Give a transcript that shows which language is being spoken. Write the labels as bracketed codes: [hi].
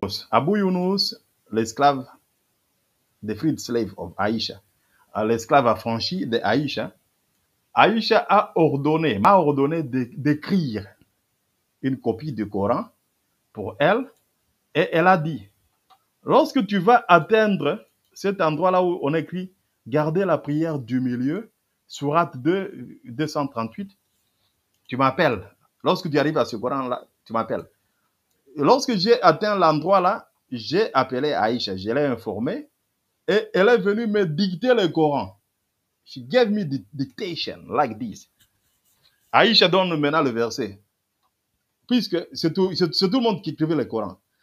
[fr] Abu Younous, l'esclave, [en] the freed slave of Aïcha, [fr] l'esclave affranchi de Aïcha, Aïcha m'a ordonné d'écrire une copie du Coran pour elle, et elle a dit, lorsque tu vas atteindre cet endroit-là où on écrit, garder la prière du milieu, sourate 238, tu m'appelles. Lorsque tu arrives à ce Coran-là, tu m'appelles. Lorsque j'ai atteint l'endroit-là, j'ai appelé Aïcha, je l'ai informée, et elle est venue me dicter le Coran. [en] She gave me the dictation like this. [fr] Aïcha donne maintenant le verset. Puisque c'est tout le monde qui écrivait le Coran.